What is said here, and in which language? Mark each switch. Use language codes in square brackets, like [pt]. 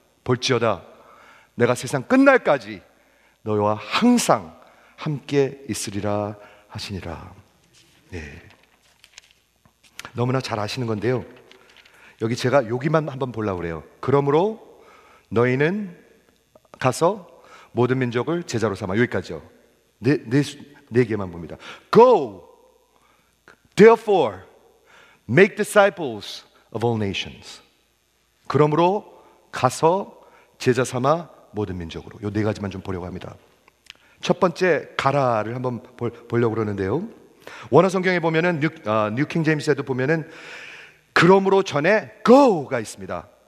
[ko] 볼지어다 내가 세상 끝날까지 너희와 항상 함께 있으리라 하시니라. 네. 너무나 잘 아시는 건데요. 여기 제가 여기만 한번 보려고 그래요. 그러므로 너희는 가서 모든 민족을 제자로 삼아. 여기까지요. 네 개만 봅니다. [en] Go! Therefore, make disciples of all nations. [ko] 그러므로 가서 제자 삼아 모든 민족으로. 요 네 가지만 좀 보려고 합니다. 첫 번째 가라를 한번 보려고 그러는데요. 원어 성경에 보면은 뉴 킹 제임스에도 보면은 그러므로 전에 go가 있습니다.